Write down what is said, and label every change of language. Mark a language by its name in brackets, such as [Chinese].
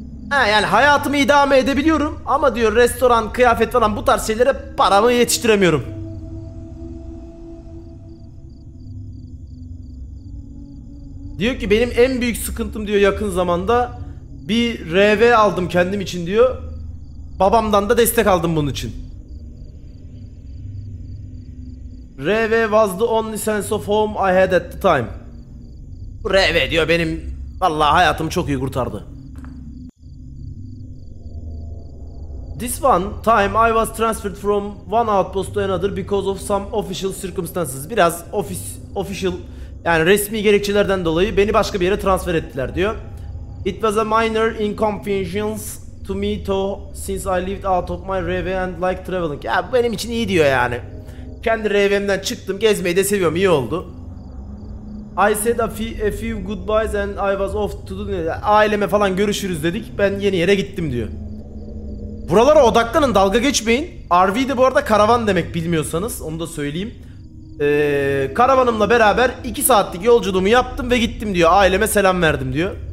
[Turkish] Ha, yani hayatımı idame edebiliyorum ama diyor restoran, kıyafet falan bu tarz şeylere paramı yetiştiremiyorum. Diyor ki benim en büyük sıkıntım diyor yakın zamanda bir RV aldım kendim için diyor. Babamdan da destek aldım bunun için. [English] RV was the only sense of home I had at the time. [Turkish] Bu RV diyor benim vallahi hayatımı çok iyi kurtardı. [English] This one time I was transferred from one outpost to another because of some official circumstances. [Turkish] Biraz official yani resmi gerekçelerden dolayı beni başka bir yere transfer ettiler diyor. [English] It was a minor inconvenience to me though since I lived out of my RV and like traveling. [Turkish] Ya benim için iyi diyor yani. Kendi RV'mden çıktım, gezmeyi de seviyorum, iyi oldu. [English] I said a few goodbyes and I was off to the... [Turkish] Aileme falan görüşürüz dedik, ben yeni yere gittim diyor. Buralara odaklanın, dalga geçmeyin. RV de bu arada karavan demek bilmiyorsanız, onu da söyleyeyim. Karavanımla beraber 2 saatlik yolculuğumu yaptım ve gittim diyor, aileme selam verdim diyor.